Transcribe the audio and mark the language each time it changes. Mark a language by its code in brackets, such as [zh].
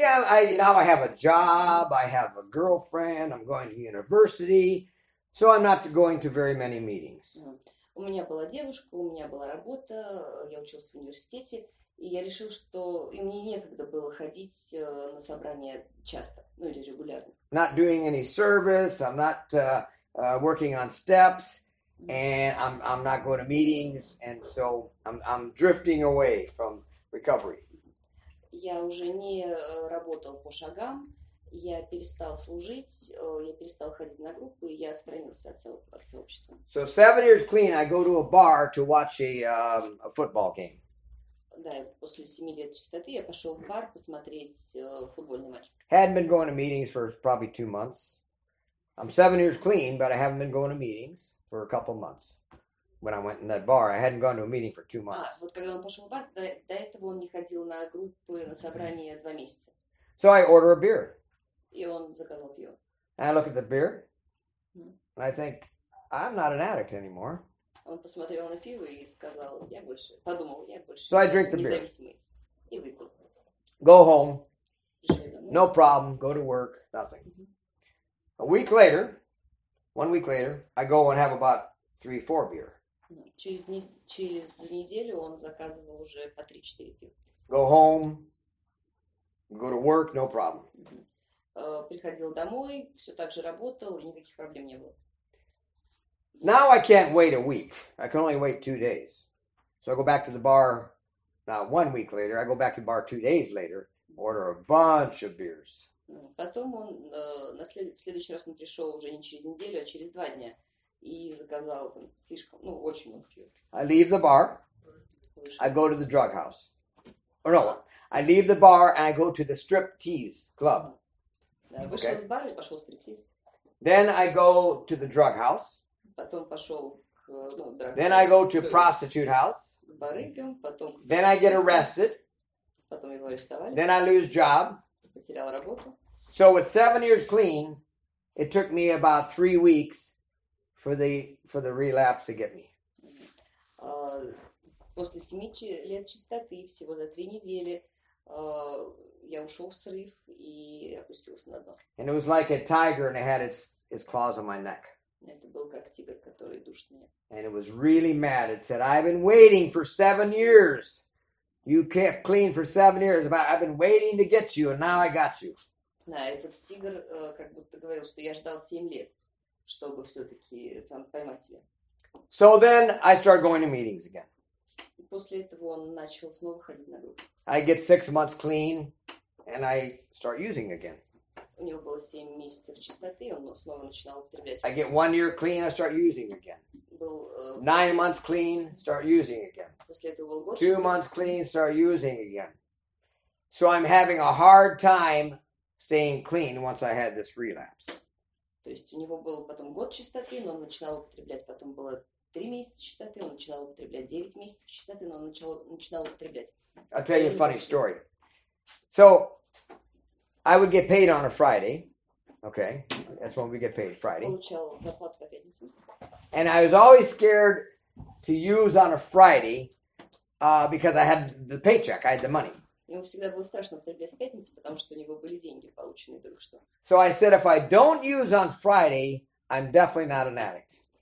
[en] Now I have a job, I have a girlfriend, I'm going to university, so I'm not going to very many meetings. [ru] У меня была девушка, у меня была работа, я учился в университете, и я решил, что и мне некогда было ходить на собрания часто, ну или регулярно. [en] Not doing any service, I'm not working on steps, and I'm not going to meetings, and so I'm drifting away from recovery. [ru] Я уже не работал по шагам, я перестал служить, я перестал ходить на группы, я отстранился от сообщества. [en] So 7 years clean, I go to a bar to watch a football game. [ru] Да, после 7 лет чистоты я пошел в бар посмотреть футбольный матч. [en] Hadn't been going to meetings for probably 2 months. I'm 7 years clean, but I haven't been going to meetings for a couple months. When I went in that bar, I hadn't gone to a meeting for 2 months. [ru] Вот когда он пошел в бар, до этого он не ходил на группы, на собрания 2 месяца. [en] So I order a beer. [ru] И он заказал пиво. [en] And I look at the beer, and I think, I'm not an addict anymore. [ru] Он посмотрел на пиво и сказал, я больше. [en] So I drink the beer. [ru] Независимый. И выпил. [en] Go home. No problem. Go to work. Nothing. Mm-hmm. One week later, I go and have about 3-4 beer. [ru] Через неделю он заказывал уже по 3-4 пива. [en] Go home. Go to work. No problem. Mm-hmm. [ru] Приходил домой, все так же работал, и никаких проблем не было. [en] Now I can't wait a week. I can only wait 2 days. So I go back to the bar Not 1 week later, I go back to the bar 2 days later, order a bunch of beers. [ru] Потом он в следующий раз он пришел уже не через неделю, а через 2 дня и заказал там слишком, ну, очень много пива. [en] I leave the bar, I go to the drug house. Or no, I leave the bar and I go to the striptease club. [ru] Да, вышел okay. из бара и пошел в стриптиз. [en] Then I go to the drug house. [ru] Потом пошел к, ну, drug [en] Then house. I go to a prostitute house. [ru] Барыгам, потом [en] Then I get arrested. [ru] Потом его арестовали. [en] Then I lose job. [ru] Потерял работу. [en] So with 7 years clean, it took me about 3 weeks for the relapse to get me. [ru] После 7 лет чистоты, всего за 3 недели, я ушел в срыв и опустился на дно. [en] And it was like a tiger and it had its claws on my neck. [ru] Это был как тигр, который душит меня. [en] And it was really mad. It said, I've been waiting for 7 years. You kept clean for 7 years, but I've been waiting to get you, and now I got you. [ru] Да, этот тигр как будто говорил, что я ждал 7 лет, чтобы все-таки там поймать тебя. [en] So then I start going to meetings again. [ru] После этого он начал снова ходить на группу. [en] I get 6 months clean, and I start using again. [ru] У него было 7 месяцев чистоты, он снова начинал употреблять. [en] I get 1 year clean, I start using again. [ru] Был, [en] 9 months clean, start using again. 2 months clean, start using again. So I'm having a hard time staying clean once I had this relapse. [ru] То есть у него был потом год чистоты, но он начинал употреблять. Потом было 3 месяца чистоты, он начинал употреблять. 9 месяцев чистоты, но он начинал употреблять. [en] I'll tell you a funny story. So I would get paid on a Friday. Okay, that's when we get paid, Friday. [ru] Получал зарплату по пятницам. [en] And I was always scared to use on a Friday because I had the paycheck, I had the money. [ru] Ему всегда было страшно употреблять в пятницу, потому что у него были деньги, полученные только что. [en] So I said, if I don't use on Friday, I'm definitely not an addict.